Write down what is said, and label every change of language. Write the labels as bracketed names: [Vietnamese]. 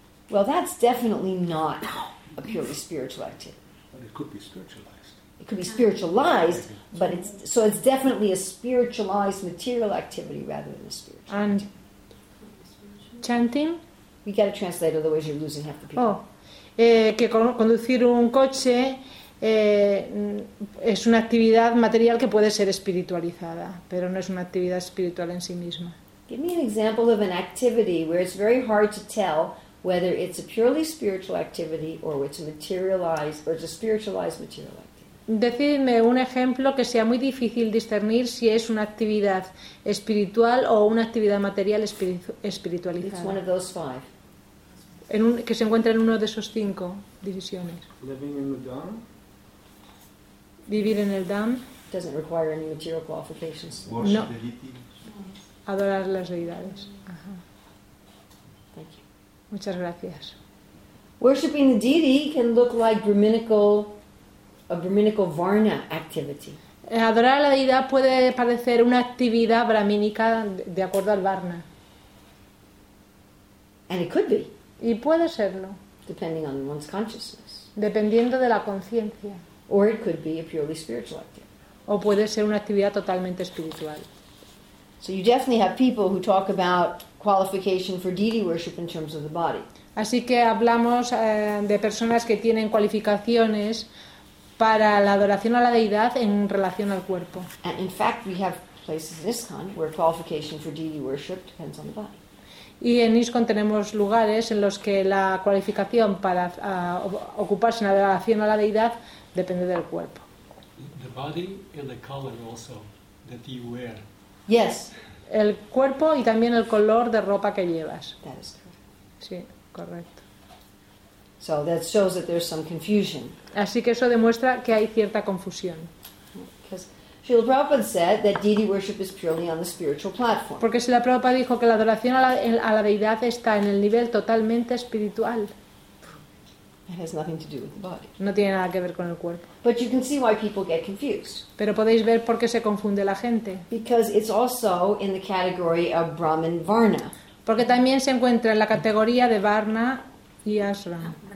[English] Well, that's definitely not a purely spiritual activity. But it could be spiritualized. It could be spiritualized, but it's definitely a spiritualized material activity rather than a spiritual and activity. Chanting? We got to translate, otherwise you're losing half the people. [Spanish] Oh, que conducir un coche es una actividad material que puede ser espiritualizada, pero no es una actividad espiritual en sí misma. [English] Give me an example of an activity where it's very hard to tell whether it's a purely spiritual activity or it's a materialized or it's a spiritualized material activity. [Spanish] Decidme un ejemplo que sea muy difícil discernir si es una actividad espiritual o una actividad material espiritualizada. [English] It's one of those 5. [Spanish] Que se encuentra en uno de esos 5 divisiones. [English] Living in the Dham. [Spanish] Vivir en el Dham. [English] Doesn't require any material qualifications. No. [Spanish] Adorar las deidades. Ajá. [English] Thank you. [Spanish] Muchas gracias. [English] Worshipping the deity can look like a brahminical varna activity. [Spanish] Adorar a la deidad puede parecer una actividad brahmínica de acuerdo al varna. [English] And it could be. [Spanish] Y puede serlo. [English] Depending on one's consciousness. [Spanish] Dependiendo de la conciencia. [English] Or it could be a purely spiritual activity. [Spanish] O puede ser una actividad totalmente espiritual. [English] So you definitely have people who talk about qualification for deity worship in terms of the body. [Spanish] Así que hablamos de personas que tienen cualificaciones para la adoración a la deidad en relación al cuerpo. [English] And in fact, we have places in ISKCON where qualification for deity worship depends on the body. [Spanish] Y en ISKCON tenemos lugares en los que la cualificación para ocuparse en la adoración a la deidad depende del cuerpo. [English] The body and the color also that you wear. Yes. [Spanish] El cuerpo y también el color de ropa que llevas. [English] That is correct. [Spanish] Sí, correcto. [English] So that shows that there's some confusion. [Spanish] Así que eso demuestra que hay cierta confusión. [English] Because Srila Prabhupada said that deity worship is purely on the spiritual platform. [Spanish] Porque Srila Prabhupada dijo que la adoración a la deidad está en el nivel totalmente espiritual. [English] It has nothing to do with the body. [Spanish] No tiene nada que ver con el cuerpo. [English] But you can see why people get confused. [Spanish] Pero podéis ver por qué se confunde la gente. [English] Because it's also in the category of Brahman Varna. [Spanish] Porque también se encuentra en la categoría de Varna y Ashram.